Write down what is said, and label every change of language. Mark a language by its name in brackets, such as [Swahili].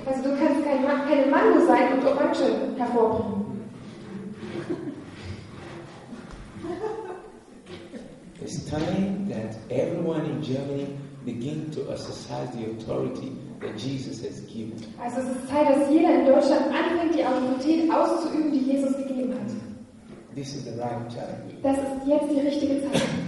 [German] Also du kannst keine Mango sein und Orange hervorbringen. [English] It's time that everyone in Germany begin to exercise the authority that Jesus has given. [German] Also es ist Zeit, dass jeder in Deutschland anfängt, die Autorität auszuüben, die Jesus gegeben hat. [English] This is the right time. [German] Das ist jetzt die richtige Zeit.